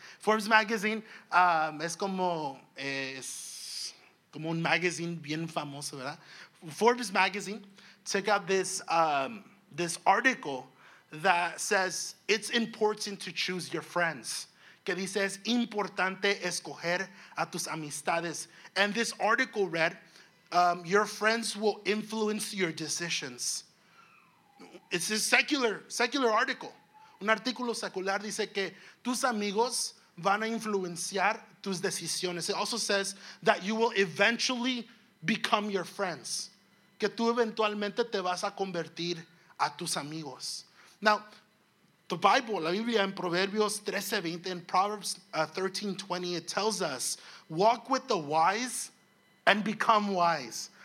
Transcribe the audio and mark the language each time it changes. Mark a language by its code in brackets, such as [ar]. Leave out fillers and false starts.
[es] Forbes Magazine es como un magazine bien famoso, ¿verdad? [en] Forbes Magazine, check out this article that says it's important to choose your friends. [es] Que dice es importante escoger a tus amistades. [en] And this article read, your friends will influence your decisions. It's a secular article. [es] Un artículo secular dice que tus amigos van a influenciar tus decisiones. [en] It also says that you will eventually become your friends. [es] Que tú eventualmente te vas a convertir a tus amigos. [en] Now, the Bible, [es] la Biblia en Proverbios 13:20 [en] and Proverbs 13:20, it tells us, walk with the wise and become wise.